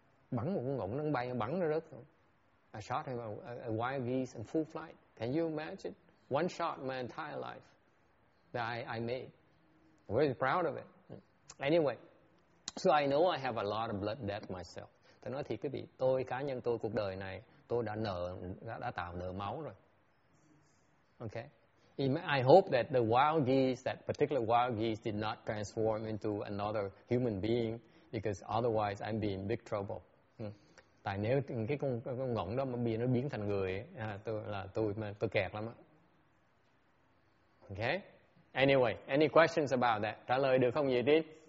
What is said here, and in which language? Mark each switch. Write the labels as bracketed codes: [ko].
[vi] Bắn một con ngỗng nó bay, bắn nó rớt. [en] I shot him a wild geese on full flight. Can you imagine? One shot my entire life that I made. I'm very proud of it. Anyway, so I know I have a lot of blood debt myself. [vi] Tôi nói thì quý vị, tôi cá nhân tôi cuộc đời này tôi đã tạo nợ máu rồi. [en] Okay. I hope that the wild geese, that particular wild geese, did not transform into another human being, because otherwise I'm in big trouble. [vi] Tại nếu cái con ngỗng đó mà biến thành người tôi kẹt lắm á. Okay? [en] Anyway, any questions about that? [vi] Trả lời được không vậy tí?